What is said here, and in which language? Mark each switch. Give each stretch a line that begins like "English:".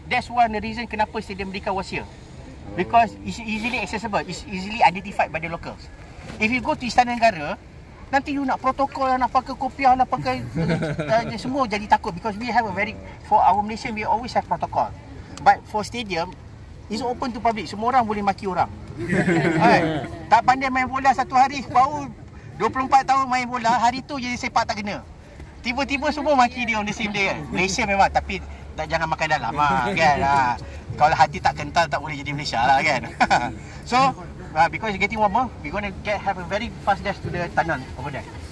English: That's one the reason kenapa stadium Merdeka was here. Because it's easily accessible, it's easily identified by the locals. If you go to
Malay: Istana Negara, nanti you nak protokol lah, nak pakai kopiah lah, pakai semua jadi takut.
English: Because we have a very, for our Malaysian, we always have protocol. But for stadium, it's open to public.
Malay: Semua orang boleh maki orang. Tak pandai main bola satu hari, baru 24 tahun main bola, hari tu jadi sepak tak kena. Tiba-tiba semua maki dia
English: on the same day.
Malay: Malaysia memang, tapi tak jangan makan dalam lah, kan? Kalau hati tak kental, tak boleh jadi Malaysia lah, kan?
English: So, because it's getting warmer, we're going to get have a very fast dash to the tunnel over there.